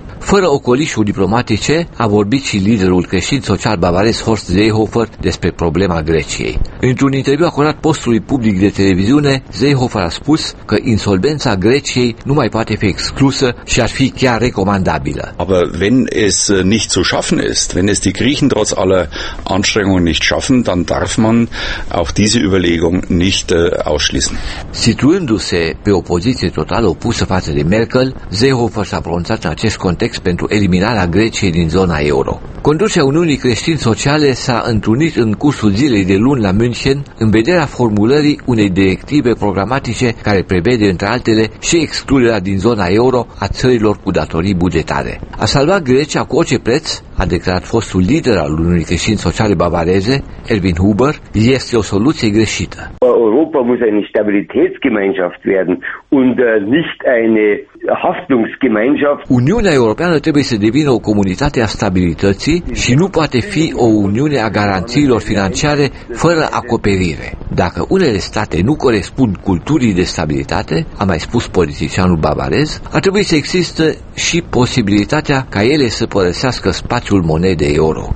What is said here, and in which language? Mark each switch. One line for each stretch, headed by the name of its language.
Romanian: Fără ocolișuri diplomatice, a vorbit și liderul creștin social bavarez Horst Seehofer despre problema Greciei. Într-un interviu acordat postului public de televiziune, Seehofer a spus că insolvența Greciei nu mai poate fi exclusă și ar fi chiar recomandabilă.
German: Aber wenn es nicht zu schaffen ist, wenn es die Griechen trotz aller Anstrengungen nicht schaffen, dann darf man auch diese Überlegung nicht ausschließen.
Romanian: Situându-se pe o poziție total opusă față de Merkel, Seehofer s-a pronunțat în acest context pentru eliminarea Greciei din zona euro. Conducerea Uniunii Creștini Sociale s-a întrunit în cursul zilei de luni la München în vederea formulării unei directive programatice care prevede, între altele, și excluderea din zona euro a țărilor cu datorii bugetare. A salvat Grecia cu orice preț, a declarat fostul lider al Uniunii Creștini Sociale Bavareze, Erwin Huber, este o soluție greșită.
German: Europa muss eine Stabilitätsgemeinschaft werden und nicht eine Haftungsgemeinschaft.
Romanian: Uniunea Europeană trebuie să devină o comunitate a stabilității și nu poate fi o uniune a garanțiilor financiare fără acoperire. Dacă unele state nu corespund culturii de stabilitate, a mai spus politicianul bavarez, ar trebui să existe și posibilitatea ca ele să părăsească spațiul monedei euro.